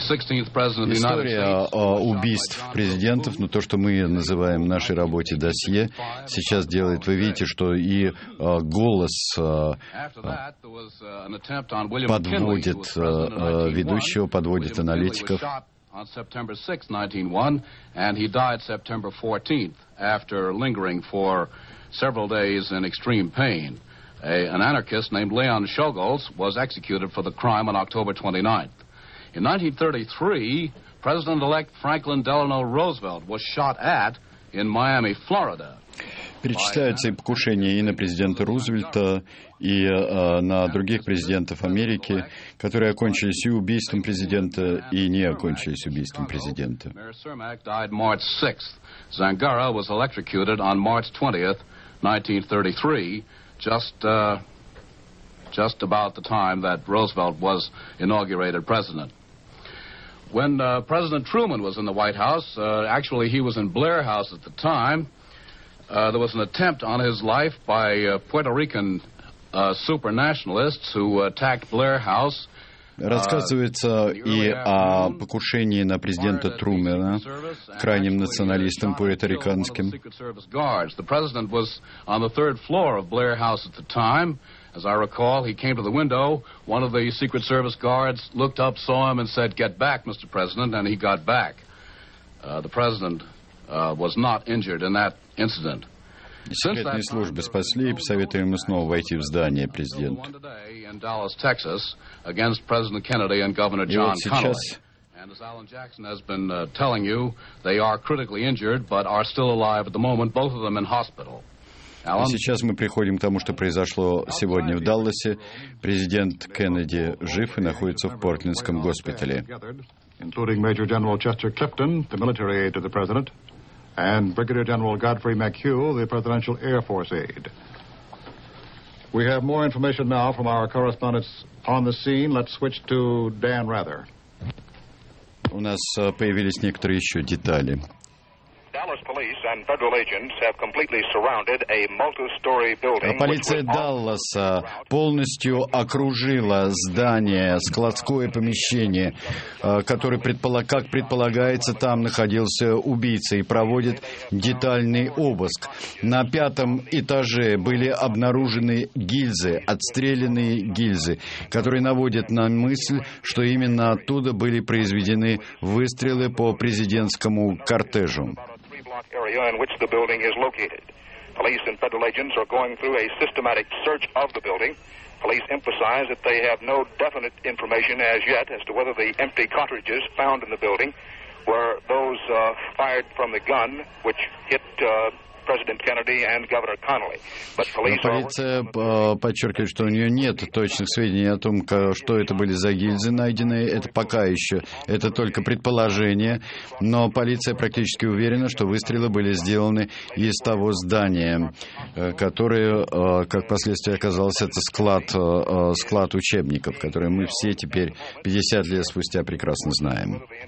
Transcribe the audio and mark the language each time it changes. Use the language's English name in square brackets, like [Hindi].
[Russian] История убийств президентов, но то, что мы называем в нашей работе досье, сейчас делает, вы видите, что и голос подводит ведущего, подводит аналитиков. [English] On September 6, 1901, and he died September 14th after lingering for several days in extreme pain. An anarchist named Leon Czolgosz was executed for the crime on October 29th. In 1933, President-elect Franklin Delano Roosevelt was shot at in Miami, Florida. [Russian] Перечисляются и покушения и на президента Рузвельта, и на других президентов Америки, которые окончились и убийством президента, и не окончились убийством президента. [English] Mayor Cermak died March 6th. Zangara was electrocuted on March 20th, 1933, just about the time that Roosevelt was inaugurated president. When President Truman was in the White House, actually he was in Blair House at the time, there was an attempt on his life by Puerto Rican supernationalists who attacked Blair House. [Russian] Рассказывается и о покушении на президента Трумэна крайним националистом пуэрториканским. [English] The president was on the third floor of Blair House at the time. As I recall, he came to the window. One of the Secret Service guards looked up, saw him, and said, "Get back, Mr. President," and he got back. The president was not injured in that incident. [Russian] Секретные службы спасли и посоветовали ему снова войти в здание президента. И вот сейчас... [English] And as Alan Jackson has been telling you, they are critically injured, but are still alive at the moment, both of them in hospital. [Russian] И сейчас мы приходим к тому, что произошло сегодня в Далласе. Президент Кеннеди жив и находится в Портлендском госпитале. [English] Including Major General Chester Clifton, the military aide to the president, and Brigadier General Godfrey McHugh, the presidential Air Force aide. We have more information now from our correspondents on the scene. Let's switch to Dan Rather. [Russian] У нас появились некоторые еще детали. [English] Dallas police and federal agents have completely surrounded a multi-story building. [Russian] Полиция Далласа полностью окружила здание, складское помещение, которое, как предполагается, там находился убийца, и проводит детальный обыск. На пятом этаже были обнаружены гильзы, отстрелянные гильзы, которые наводят на мысль, что именно оттуда были произведены выстрелы по президентскому кортежу. [English] Area in which the building is located. Police and federal agents are going through a systematic search of the building. Police emphasize that they have no definite information as yet as to whether the empty cartridges found in the building were those fired from the gun which hit President Kennedy and Governor Connally. But police [Russian] полиция подчеркивает, что у нее нет точных сведений о том, что это были за гильзы найденные. Это пока еще, это только предположение. Но полиция практически уверена, что выстрелы были сделаны из того здания, которое, как последствия оказалось, это склад учебников, который мы все теперь, 50 лет спустя, прекрасно знаем.